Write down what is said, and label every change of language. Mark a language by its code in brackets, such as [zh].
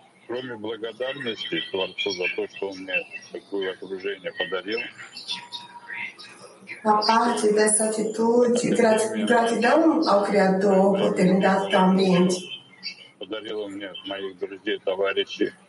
[ru] кроме благодарности Творцу за то, что он мне такое окружение подарил, [pt] a parte dessa atitude, gratidão ao Criador por ter me dado tão ambiente, [ru] подарил он мне моих друзей, товарищей.